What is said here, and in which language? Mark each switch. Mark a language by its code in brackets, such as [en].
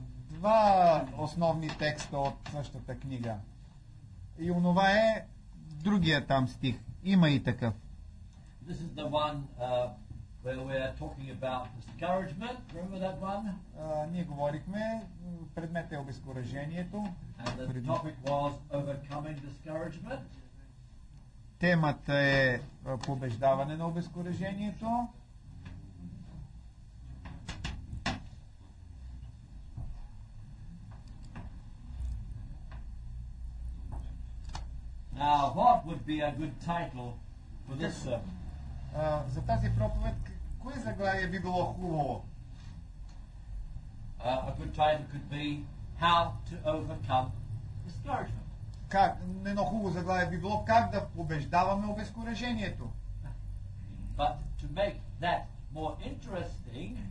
[bg] два основни текста от същата книга. И онова е другия там стих. Има и такъв. [en] This is the one where we are talking about discouragement. Remember that one? [bg] Ние говорихме, предмет е обезкуражението. [en] And the topic was overcoming discouragement. [bg] Темата е побеждаване на обезкуражението. [en] Now, what would be a good title for this sermon? [bg] За тази проповед, кое заглавие би било хубаво? [en] A good title could be How to Overcome Discouragement. [bg] Как, едно хубаво заглавие би било как да побеждаваме обезкуражението. [en] But to make that more interesting,